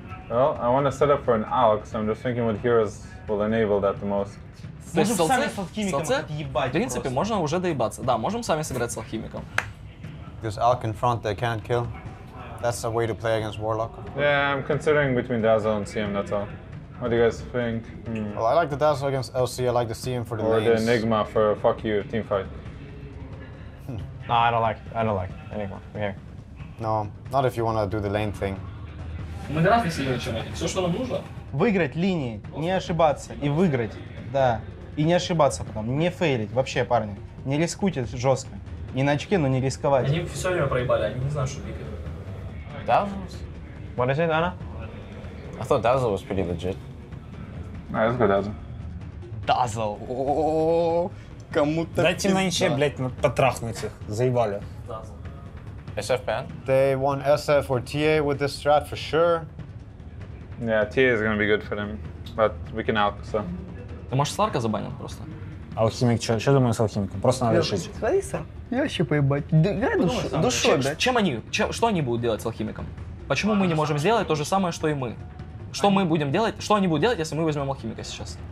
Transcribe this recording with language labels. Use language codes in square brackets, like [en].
[en] Well, I want to set up for an Alex, so I'm just thinking what heroes will enable that the most. [ru] Можем сами с алхимиком отъебать. В принципе, Можно уже доебаться. Да, можем сами сыграть с алхимиком. [en] Because Alk in front, they can't kill. That's a way to play against Warlock. Yeah, I'm considering between Dazzle and CM, that's all. What do you guys think? Mm. Well, I like the Dazzle against LC, I like the CM for the lanes. Or the Enigma for fuck you teamfight. No, I don't like Enigma. We're here. No, not if you want to do the lane thing. [ru] Мы драфи сильнее, чем эти. Все, что нам нужно? Выиграть линии, не ошибаться и выиграть, да. И не ошибаться потом, не фейлить вообще, парни. Не рискуйте жестко. Не на очке, но не рисковать. Они все время проебали, они не знают, что бегают. [en] Dazzle? What is it, Anna? I thought Dazzle was pretty legit. Nah, let's go Dazzle. Dazzle. [ru] Ооо, кому-то дайте на инче, блядь, потрахнуть их, заебали. [en] Dazzle. SF ban? They want SF or TA with this strat for sure. Yeah, TA is gonna be good for them. But we can out, so. [ru] Ты можешь Сларка забанить просто? Алхимик, что думаю с алхимиком? Просто надо решить. Смотри, Сар, я вообще поебать. Да, играй душой, да. Что они будут делать с алхимиком? Почему мы не можем сделать то же самое, что и мы? Что мы будем делать? Что они будут делать, если мы возьмем алхимика сейчас?